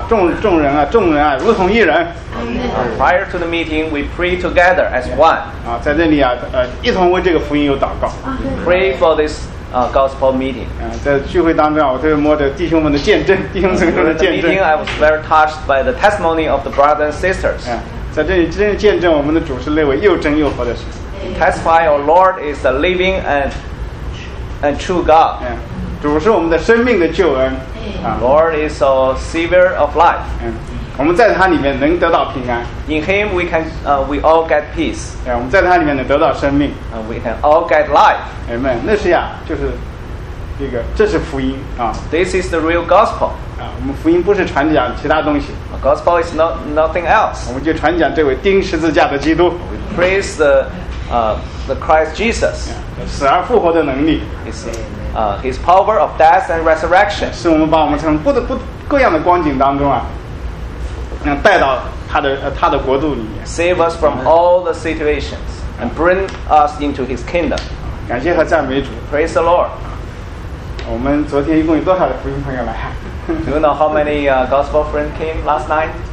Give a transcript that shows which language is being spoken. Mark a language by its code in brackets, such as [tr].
[zh] 在这个聚会之前，我们弟兄在这里众人如同一人。Prior [en] to the meeting, we pray together as one. [zh] 在这里一同为这个福音有祷告。Pray [en] for this gospel meeting. [zh] 在聚会当中，我特别摸着弟兄们的见证，弟兄姊妹们的见证。 [en] I was very touched by the testimony of the brothers and sisters. [zh] 在这里真正见证我们的主是那位又真又活的神。Testify [en] our Lord is the living and true God. [zh] 主是我们的生命的救恩。Lord [en] is our Savior of life. [zh] 我们在他里面能得到平安。In [en] Him we can we all get peace. [zh] 我们在他里面能得到生命。We [en] can all get life. [zh] Amen. 那是呀，就是这个，这是福音啊。This [en] is the real gospel. [zh] 我们福音不是传讲其他东西。A [en] gospel is nothing else. [zh] 我们就传讲这位钉十字架的基督。We [en] praise the Christ Jesus. [zh] 死而复活的能力。It's [en] His power of death and resurrection. [zh] 是我们把我们从各样的光景当中带到他的国度里面。Save [en] us from all the situations and bring us into His kingdom. [zh] 感谢和赞美主。Praise [en] the Lord. [zh] 我们昨天一共有多少的福音朋友来？ [en] Do you know how many gospel friends came last night?